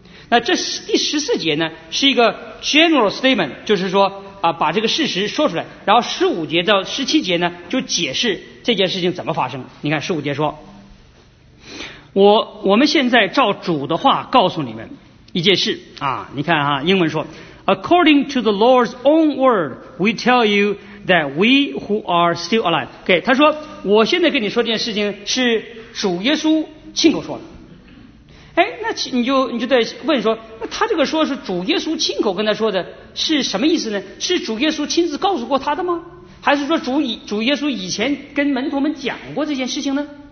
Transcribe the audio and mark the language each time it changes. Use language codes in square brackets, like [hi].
[zh] 那这第14节呢是一个 general statement， 就是说啊，把这个事实说出来。然后15节到17节呢就解释这件事情怎么发生。你看15节说，我们现在照主的话告诉你们一件事啊。你看啊，英文说 [en] According to the Lord's own word we tell you that we who are still alive。 [zh] okay， 他说我现在跟你说这件事情是主耶稣亲口说的。哎，那你就在问说，那他这个说是主耶稣亲口跟他说的是什么意思呢？是主耶稣亲自告诉过他的吗？还是说主耶稣以前跟门徒们讲过这件事情呢？